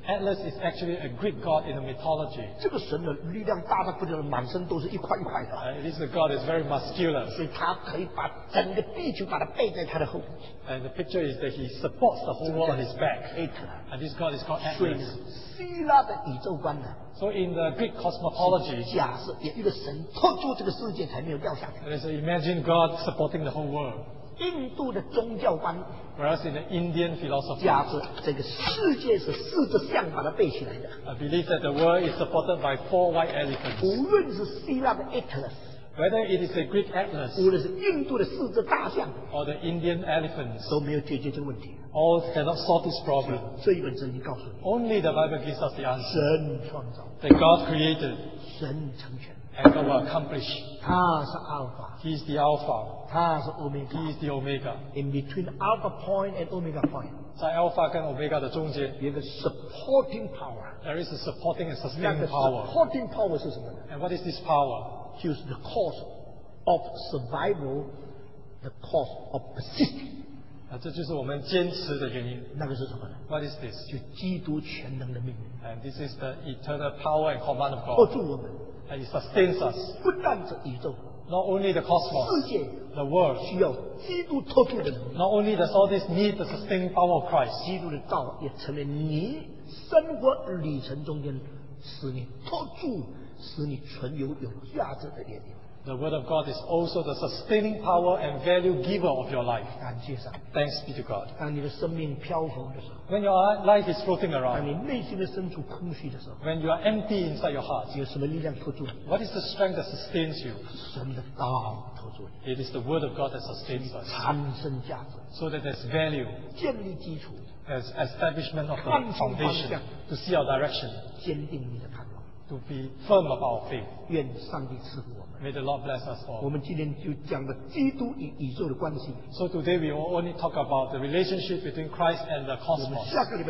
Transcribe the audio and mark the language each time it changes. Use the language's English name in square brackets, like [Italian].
[English] Atlas is actually a Greek god in the mythology. [Chinese] 这个神的力量大得不得了，满身都是一块一块的。 [English] It is a god that is very muscular. [Chinese] 所以他可以把整个地球把它背在他的后。 [English] And the picture is that he supports the whole world on his back. Atlas. And this god is called Atlas. [Chinese] 希腊的宇宙观呢？ [English] So in the Greek cosmology, [Chinese] 假设有一个神托住这个世界才没有掉下来。 [English] And so imagine God supporting the whole world. [Chinese] 印度的宗教观。 [English] Whereas in the Indian philosophy, [Chinese] 假设这个世界是四只象把它背起来的。 [English] I believe that the world is supported by four white elephants. [Chinese] 无论是希腊的 Atlas, [English] whether it is a Greek Atlas, [Chinese] 无论是印度的四只大象 [English] or the Indian elephants, [Chinese] 都没有解决这个问题。 [English] All cannot solve this problem. [Chinese] 这一本圣经告诉你， [English] only the Bible gives us the answer. [Chinese] 神创造， [English] that God created. [Chinese] 神成全。 [English] And God will accomplish. [Chinese] 他是 Alpha. [English] He is the Alpha. [Chinese] 他是 Omega. [English] He is the Omega. In between Alpha point and Omega point. [Chinese] 在 Alpha 跟 Omega 的中间， [English] there is supporting power. There is a supporting and sustaining power. Supporting power [Chinese] 是什么？ [English] And what is this power? It is the cause of survival, the cause of persistence. [Chinese] 这就是我们坚持的原因。那个是什么呢？ [English] What is this? [Chinese] 就基督全能的命令。 [English] And this is the eternal power and command of God. [Chinese] 托住我们。 [English] And it sustains us. [Chinese] 不但是宇宙。 [English] Not only the cosmos. [Chinese] 世界。 [English] The world. [Chinese] 需要基督托住的能力。 [English] Not only does all this need the sustaining power of Christ. [Chinese] 基督的道也成为你生活旅程中间使你托住、使你存有有价值的力量。 [English] The word of God is also the sustaining power and value giver of your life. [Chinese] 感谢上帝。 [English] Thanks be to God. [Chinese] 当你的生命漂浮的时候， [English] when your life is floating around, [Chinese] 当你内心的深处空虚的时候， [English] when you are empty inside your heart, [Chinese] 有什么力量托住你？ [English] What is the strength that sustains you? [Chinese] 神的道托住你。 [English] It is the word of God that sustains us. [Chinese] 产生价值。 [English] So that there's value. [Chinese] 建立基础。 [English] As establishment of the foundation. To see our direction. [Chinese] 坚定你的盼望。 [English] To be firm of our faith. [Chinese] 愿上帝赐福我。 [English] May the Lord bless us all. [Chinese] 我们今天就讲的基督与宇宙的关系。 [English] So today we will only talk about the relationship between Christ and the cosmos.